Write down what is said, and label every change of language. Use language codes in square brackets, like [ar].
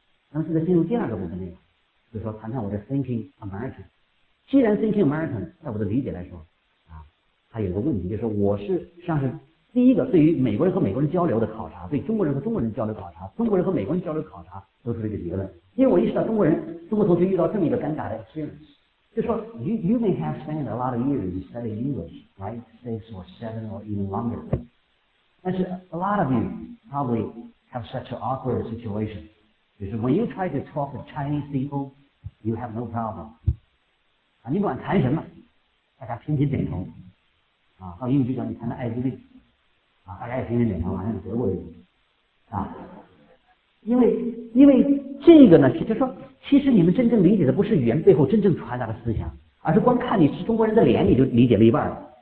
[zh] 那么现在进入第二个部分内容，就是说谈谈我的 Thinking American。既然 Thinking American， 在我的理解来说啊，它有个问题，就是说我是实际上是第一个对于美国人和美国人交流的考察，对中国人和中国人交流考察，中国人和美国人交流考察得出这个结论。因为我意识到中国人中国同学遇到这么一个尴尬的 experience。就说 [en] you may have spent a lot of years studying English, right? Six or seven or even longer. [zh] 但是 [en] a lot of you probably have such an awkward situation. [zh] 就是 [en] when you try to talk to Chinese people, you have no problem. [zh] 啊，你不管谈什么，大家频频点头。啊，到英语学校你谈的艾滋病，啊，大家也频频点头，好像是德国人。啊，因为这个呢，就说。其实你们真正理解的不是语言背后真正传达的思想，而是光看你是中国人的脸你就理解了一半了。